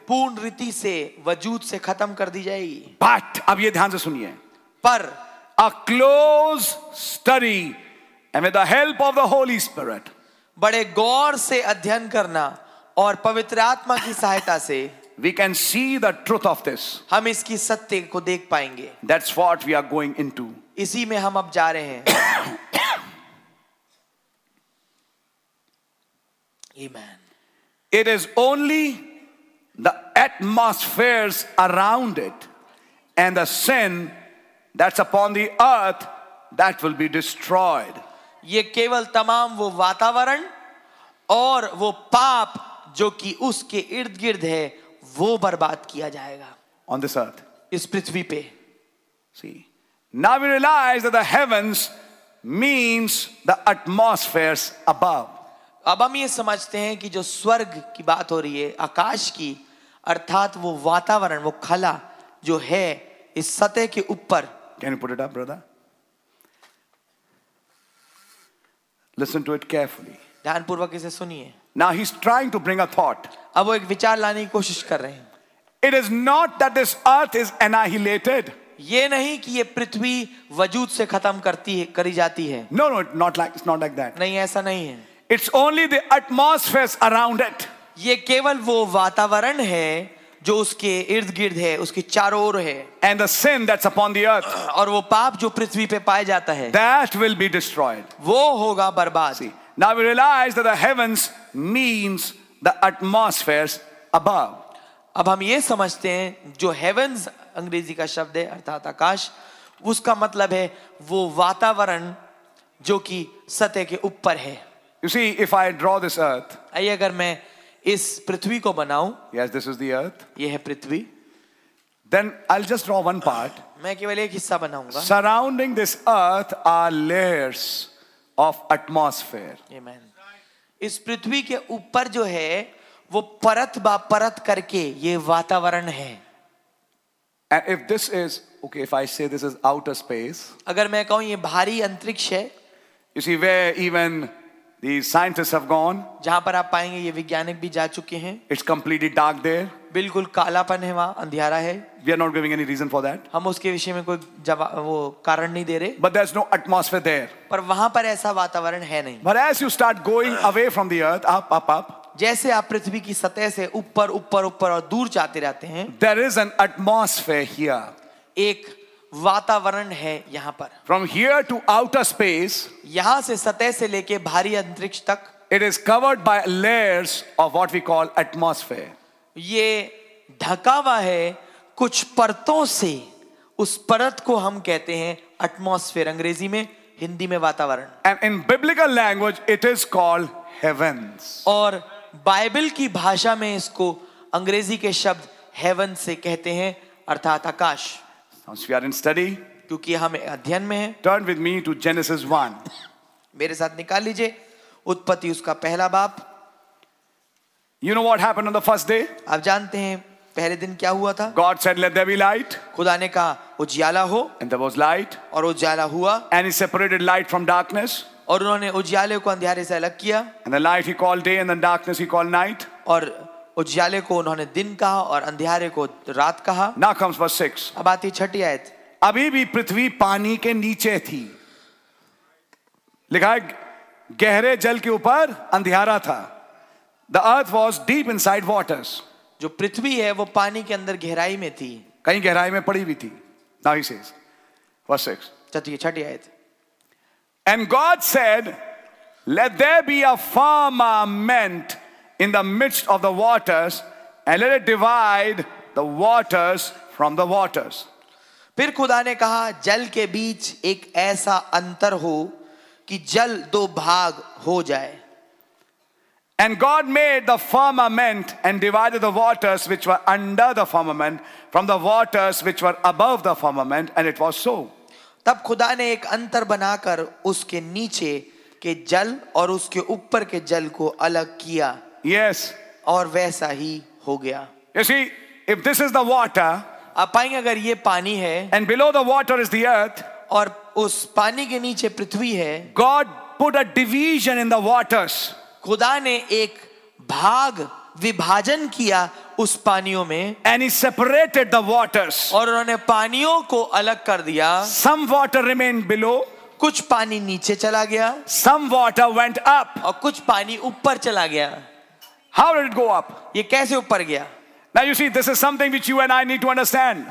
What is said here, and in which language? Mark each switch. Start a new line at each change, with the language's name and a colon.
Hindi: पूर्ण रीति से वजूद से खत्म कर दी जाएगी.
English: But
Hindi: अब ये ध्यान से सुनिए. पर
English: a close study and with the help of the Holy Spirit.
Hindi: बड़े गौर से अध्ययन करना और पवित्र आत्मा की सहायता से.
English: We can see the truth of this.
Hindi: हम इसकी सत्य को देख पाएंगे.
English: That's what we are going into.
Hindi: इसी में हम अब जा रहे हैं.
English: Amen. It is only the atmospheres around it and the sin that's upon the earth that will be destroyed.
Hindi: ये केवल तमाम वो वातावरण और वो पाप जो कि उसके इर्द-गिर्द है वो बर्बाद किया जाएगा.
English: On this earth.
Hindi: इस पृथ्वी पे.
English: See. Now we realize that the heavens means the atmospheres above.
Hindi: अब हम ये समझते हैं कि जो स्वर्ग की बात हो रही है आकाश की, अर्थात वो वातावरण वो खला जो है इस सतह के ऊपर.
English: Can you put it up, brother? Listen to it carefully.
Hindi: ध्यान पूर्वक इसे सुनिए.
English: Now he's trying to bring a thought.
Hindi: अब वो एक विचार लाने की कोशिश कर रहे हैं.
English: It is not that this earth is annihilated.
Hindi: ये नहीं कि ये पृथ्वी वजूद से खत्म करती है करी जाती है.
English: No, it's not like that.
Hindi: नहीं ऐसा नहीं है.
English: It's only the atmospheres around it.
Hindi: ये केवल वो वातावरण है जो उसके इर्द-गिर्द है, उसके चारों ओर है.
English: And the sin that's upon the earth.
Hindi: और वो पाप जो पृथ्वी पे पाया जाता है.
English: That will be destroyed.
Hindi: वो होगा बर्बाद.
English: See, now we realize that the heavens means the atmospheres above.
Hindi: अब हम ये समझते हैं जो heavens अंग्रेजी का शब्द है अर्थात आकाश, उसका मतलब है वो वातावरण जो कि सतह के ऊपर है.
English: You see, if I draw this earth,
Hindi: आइए अगर मैं इस पृथ्वी को बनाऊं.
English: Yes, this is the earth.
Hindi: यह है पृथ्वी.
English: Then I'll just draw one part.
Hindi: मैं केवल एक हिस्सा बनाऊंगा.
English: Surrounding this earth are layers of atmosphere. Amen.
Hindi: इस पृथ्वी के ऊपर जो है वो परत बा परत करके ये वातावरण है.
English: And if this is okay, if I say this is outer space,
Hindi: अगर मैं कहूँ ये भारी अंतरिक्ष है,
English: you see where even the scientists have gone,
Hindi: जहाँ पर आप पाएंगे ये वैज्ञानिक भी जा चुके हैं,
English: it's completely dark there,
Hindi: बिल्कुल कालापन है वहाँ, अंधियारा है.
English: We are not giving any reason for that.
Hindi: हम उसके विषय में कोई जवाब वो कारण नहीं दे रहे.
English: But there's no atmosphere there.
Hindi: पर वहाँ पर ऐसा वातावरण है नहीं.
English: But as you start going away from the earth, up, up, up.
Hindi: जैसे आप पृथ्वी की सतह से ऊपर ऊपर ऊपर और दूर जाते रहते हैं.
English: There is an atmosphere here.
Hindi: एक वातावरण है यहाँ पर.
English: From here to outer space.
Hindi: यहाँ से सतह से लेके भारी अंतरिक्ष तक.
English: It is covered by layers of what we call atmosphere.
Hindi: ये ढका हुआ है कुछ परतों से. उस परत को हम कहते हैं एटमॉस्फेयर, अंग्रेजी में, हिंदी में वातावरण.
English: And in biblical language, it is called heavens.
Hindi: और बाइबल की भाषा में इसको अंग्रेजी के शब्द हेवन से कहते हैं, अर्थात आकाश.
English: Since we are in study,
Hindi: क्योंकि हम अध्ययन में हैं.
English: Turn with me to Genesis 1.
Hindi: मेरे साथ निकाल लीजिए उत्पत्ति उसका पहला बाप.
English: You know what happened on the first day?
Hindi: आप जानते हैं पहले दिन क्या हुआ था?
English: God said, "Let there be light."
Hindi: खुदा ने कहा उजियाला हो.
English: And there was light.
Hindi: और उजियाला हुआ.
English: And he separated light from darkness.
Hindi: और उन्होंने उजियाले को अंधेरे से अलग किया.
English: And the light he called day, and the darkness he called night.
Hindi: और उजियाले को उन्होंने दिन कहा और अंधेरे को रात कहा.
English: Now comes verse 6.
Hindi: अब आती छठी आयत. अभी भी पृथ्वी पानी के नीचे थी. लिखा है गहरे जल के ऊपर अंधेरा था.
English: The earth was deep inside waters.
Hindi: जो पृथ्वी है वो पानी के अंदर गहराई में थी. कहीं गहराई में पड़ी भी थी.
English: Now he says, verse 6.
Hindi: चलिए छठी आयत.
English: And God said, "Let there be a firmament in the midst of the waters, and let it divide the waters from the waters."
Hindi: फिर खुदा ने कहा जल के बीच एक ऐसा अंतर हो कि जल दो भाग हो जाए.
English: And God made the firmament and divided the waters which were under the firmament from the waters which were above the firmament, and it was so.
Hindi: तब खुदा ने एक अंतर बनाकर उसके नीचे के जल और उसके ऊपर के जल को अलग किया.
English: Yes.
Hindi: और वैसा ही हो गया.
English: You see, if this is the water,
Hindi: आप पाएंगे अगर ये पानी है,
English: and below the water is the earth,
Hindi: और उस पानी के नीचे पृथ्वी है.
English: God put a division in the waters.
Hindi: खुदा ने एक भाग विभाजन किया उस पानियों में.
English: And he separated the waters.
Hindi: और उन्होंने पानियों को अलग कर दिया.
English: Some water remained below.
Hindi: कुछ पानी नीचे चला गया.
English: Some water went up.
Hindi: और कुछ पानी ऊपर चला गया.
English: How did it go up?
Hindi: ये कैसे ऊपर गया?
English: Now you see, this is something which you and I need to understand.